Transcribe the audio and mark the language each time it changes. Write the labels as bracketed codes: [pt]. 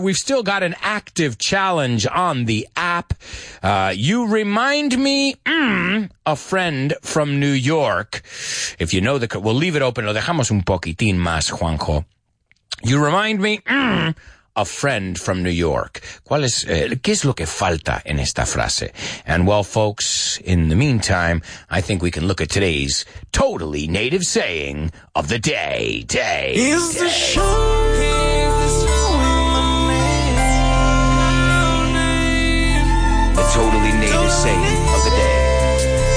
[en] We've still got an active challenge on the app. You remind me, a friend from New York. If you know we'll leave it open. [es] Lo dejamos un poquitín más, [en] Juanjo. You remind me, a friend from New York. [es] ¿Cuál es, qué es lo que falta en esta frase? [en] And well, folks, in the meantime, I think we can look at today's totally native saying of the day. Day. Is day. The show. Is the show in the name. The totally native saying of the day.